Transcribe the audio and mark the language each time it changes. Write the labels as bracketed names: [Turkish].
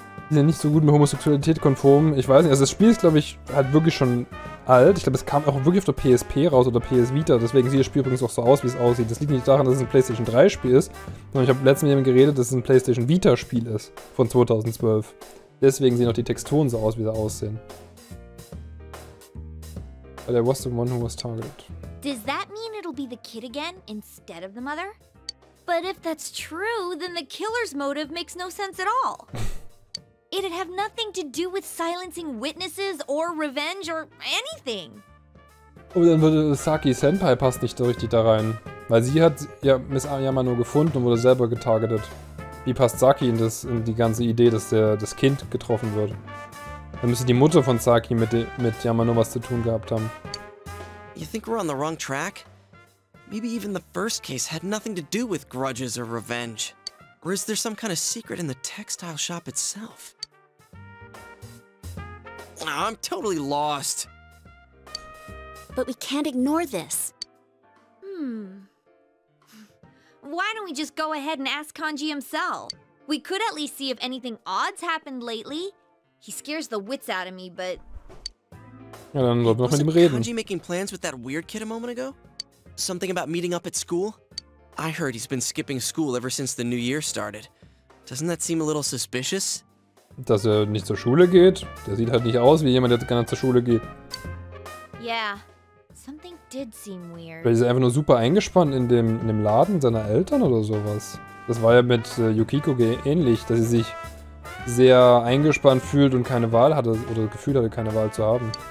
[German] Die sind nicht so gut mit Homosexualität konform. Ich weiß nicht, also das Spiel ist, glaube ich, halt wirklich schon alt. Ich glaube, es kam auch wirklich auf der PSP raus oder PS Vita. Deswegen sieht das Spiel übrigens auch so aus, wie es aussieht. Das liegt nicht daran, dass es ein PlayStation 3 Spiel ist, sondern ich habe letztens mit jemandem geredet, dass es ein PlayStation Vita Spiel ist von 2012. Deswegen sehen auch die Texturen so aus, wie sie aussehen. [English] But I was the one who was targeted. Does that mean it'll be the kid again instead of the mother? But if that's true, then the killer's motive makes no sense at all. It'd have nothing to do with silencing witnesses or revenge or anything. [German] Oh, dann würde Saki Senpai passt nicht so richtig da rein. Weil sie hat ja Miss Yamano gefunden und wurde selber getargetet. Wie passt Saki in die ganze Idee, dass das Kind getroffen wird? Dann müsste die Mutter von Saki mit Yamano was zu tun gehabt haben. [English] You think we're on the wrong track? Maybe even the first case had nothing to do with grudges or revenge. Or is there some kind of secret in the textile shop itself? I'm totally lost. But we can't ignore this. Why don't we just go ahead and ask Kanji himself? We could at least see if anything odd's happened lately. He scares the wits out of me, but... [German] Ja, dann sollten wir noch mit ihm reden. [English] Was war making plans with that weird kid a moment ago? Something about meeting up at school? I heard he's been skipping school ever since the new year started. Doesn't that seem a little suspicious? [German] Dass er nicht zur Schule geht? Der sieht halt nicht aus wie jemand, der gerne zur Schule geht. [English] Yeah. Something did seem weird. [German] Vielleicht ist er einfach nur super eingespannt in dem Laden seiner Eltern oder sowas. Das war ja mit Yukiko ähnlich, dass sie sich sehr eingespannt fühlt und keine Wahl hatte oder das Gefühl hatte, keine Wahl zu haben.